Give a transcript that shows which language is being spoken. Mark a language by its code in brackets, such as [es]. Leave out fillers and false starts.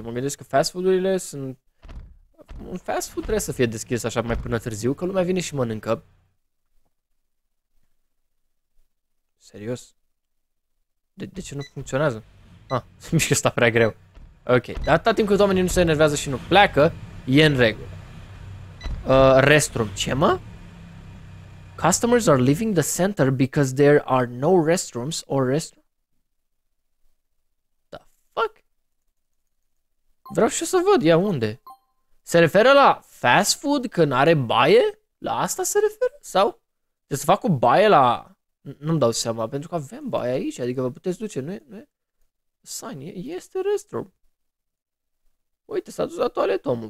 [ro] Mă gândesc că fast food-urile sunt... Un fast food trebuie să fie deschis așa mai până târziu, că lumea vine și mănâncă. Serios? De ce nu funcționează? Mișcă asta prea greu. Ok, dar atâta timp cât oamenii nu se enervează și nu pleacă, e în regulă. Restroom, ce mă? [en] Customers are leaving the center because there are no restrooms or The fuck? [ro] Vreau și eu să văd, ia unde? Se referă la fast food că n-are baie? La asta se referă? Sau? Să fac o baie la... Nu-mi dau seama, pentru că avem baie aici, adică vă puteți duce, nu e? Sign, este restroom. Uite, s-a dus la toaletă omul.